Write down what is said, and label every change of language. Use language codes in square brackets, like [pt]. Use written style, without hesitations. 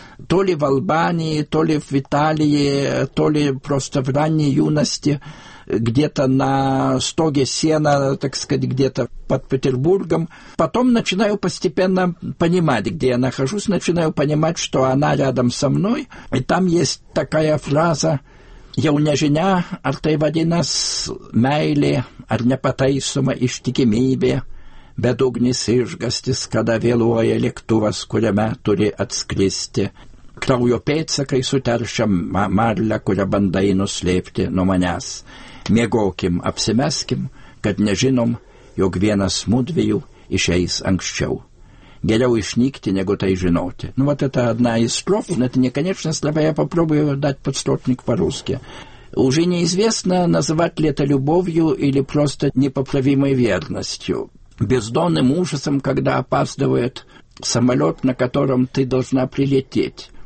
[ru] То ли в Албании, то ли в Италии, то ли просто в ранней юности, где-то на стоге сена, так сказать, где-то под Петербургом. Потом начинаю постепенно понимать, где я нахожусь, начинаю понимать, что она рядом со мной. И там есть такая фраза: «Я у нежиня, ар тэй вадина с мэйли, ар не патаисума иштикимибе». [lt] Bedugnis išgastis, kada vėluoja lėktuvas, kuriame turi atskristi. Kraujo pėdsakai suteršia marlę, kurią bandai nuslėpti nuo manęs. Miegokim, apsimeskim, kad nežinom, jog vienas mudvijų išeis anksčiau. Geriau išnykti, negu tai žinoti. [ru] Nu, vat eta одна из строф, но это не конечно слова, я попробую дать подстротник по-русски. Уже неизвестно, называть ли это любовью или просто непоправимой верностью. Бездонным ужасом, когда опаздывает самолет, на котором ты должна прилететь.